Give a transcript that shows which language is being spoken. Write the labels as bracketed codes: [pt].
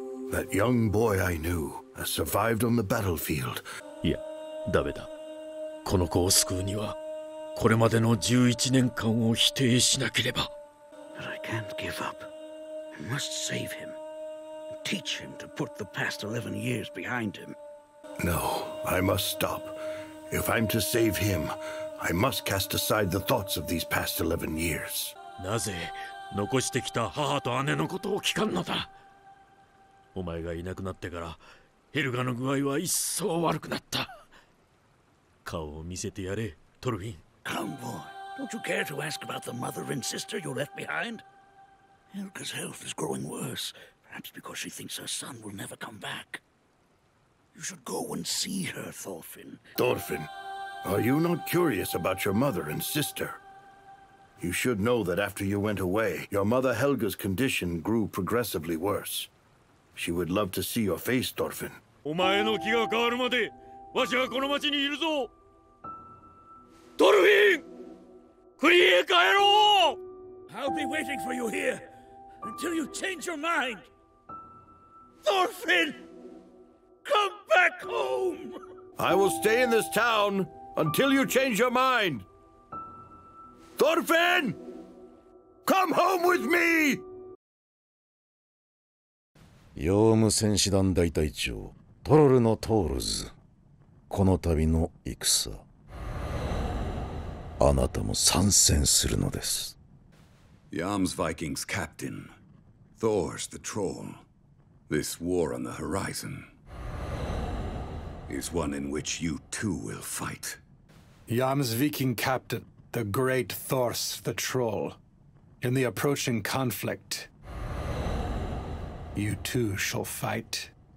[en] That young boy I knew has survived on the battlefield. [ja] いや、ダメだ。この子を救うには、これまでの11年間を否定しなければ。 [en] But I can't give up. I must save him. Teach him to put the past 11 years behind him. No, I must stop. If I'm to save him, I must cast aside the thoughts of these past 11 years. [ja] なぜ残してきた母と姉のことを聞かんのだ。お前がいなくなってから、ヘルガの具合は一層悪くなった。顔を見せてやれ、トルフィン。 [en] Come boy, don't you care to ask about the mother and sister you left behind? Helga's health is growing worse, perhaps because she thinks her son will never come back. You should go and see her, Thorfinn. Thorfinn, are you not curious about your mother and sister? You should know that after you went away, your mother Helga's condition grew progressively worse. She would love to see your face, Thorfinn. [ja] お前の気が変わるまで、わしはこの町にいるぞ。トルフィン、国へ帰ろう。 [en] I'll be waiting for you here until you change your mind. Thorfinn, come back home. I will stay in this town until you change your mind. Thorfinn! Come home with me! [ja] 用務戦士団大隊長、トロルのトールズ。この度の戦、あなたも参戦するのです。 [en] Yarm's Vikings captain, Thors the Troll. This war on the horizon is one in which you too will fight. Yarm's Viking captain.The great Thors the Troll. In the approaching conflict, you too shall fight.